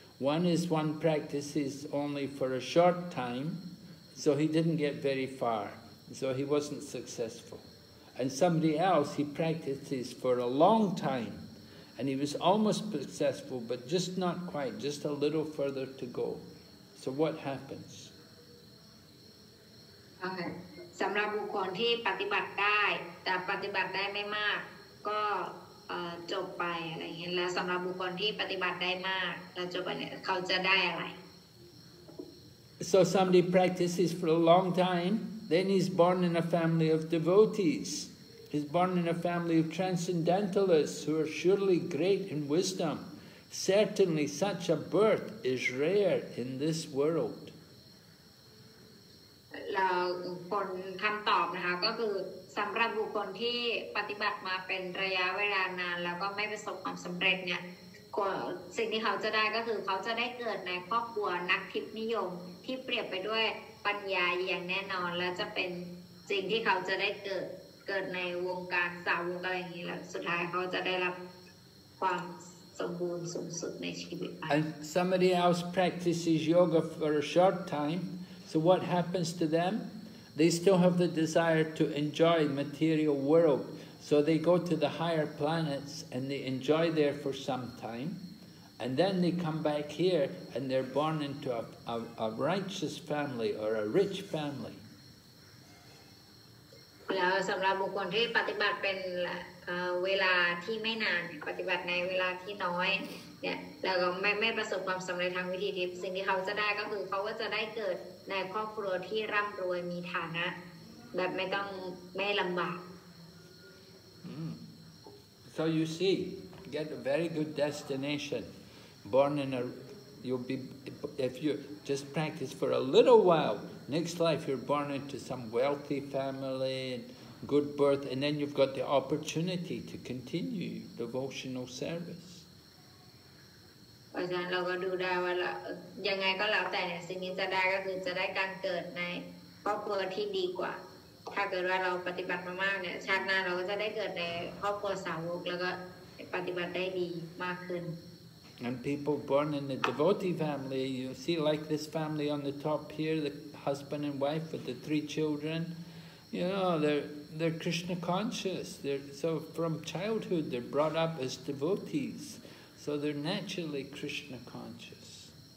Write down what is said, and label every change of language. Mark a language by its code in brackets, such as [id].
[en] One is one practices only for a short time, so he didn't get very far, so he wasn't successful. And somebody else, he practices for a long time, and he was almost successful, but just not quite, just a little further to go. So what happens? [th] Okay. สำหรับบุคคลที่ปฏิบัติได้แต่ปฏิบัติได้ไม่มากก็จบไปอะไรอย่างเงี้ยแล้วสำหรับบุคคลที่ปฏิบัติได้มากแล้วจบไปเนี่ยเขาจะได้อะไร [en] So somebody practices for a long time, then he's born in a family of devotees. He's born in a family of transcendentalists who are surely great in wisdom. Certainly such a birth is rare in this world. [th] แล้วคนคำตอบนะคะก็คือสำหรับบุคคลที่ปฏิบัติมาเป็นระยะเวลานานแล้วก็ไม่ประสบความสำเร็จเนี่ยสิ่งที่เขาจะได้ก็คือเขาจะได้เกิดในครอบครัวนักทิพย์นิยมที่เปรียบไปด้วยปัญญาอย่างแน่นอนและจะเป็นสิ่งที่เขาจะได้เกิดในวงการสาวกอะไรอย่างนี้แล้วสุดท้ายเขาจะได้รับความสมบูรณ์สูงสุดในชีวิต [en] And somebody else practices yoga for a short time, so what happens to them? They still have the desire to enjoy material world. So they go to the higher planets and they enjoy there for some time and then they come back here and they're born into a righteous family or a rich family. [th] แล้วสำหรับบุคคลที่ปฏิบัติเป็นเวลาที่ไม่นานปฏิบัติในเวลาที่น้อยเนี่ยแล้วก็ไม่ประสบความสำเร็จทางวิถีทิพย์สิ่งที่เขาจะได้ก็คือเขาก็จะได้เกิดในครอบครัวที่ร่ำรวยมีฐานะแบบไม่ลำบาก [en] So you see, you get a very good destination, born in a, you'll be, if you just practice for a little while, next life you're born into some wealthy family, and good birth, and then you've got the opportunity to continue devotional service. [th] เพราะฉะนั้นเราก็ดูได้ว่ายังไงก็แล้วแต่เนี่ยสิ่งนี้จะได้ก็คือจะได้การเกิดในครอบครัวที่ดีกว่าถ้าเกิดว่าเราปฏิบัติมามากเนี่ยชาติหน้าเราก็จะได้เกิดในครอบครัวสาวกแล้วก็ปฏิบัติได้ดีมากขึ้น [en] And people born in the devotee family, you see like this family on the top here, the husband and wife with the three children, you know, they're Krishna conscious. They're, so from childhood, they're brought up as devotees. So they're naturally Krishna conscious.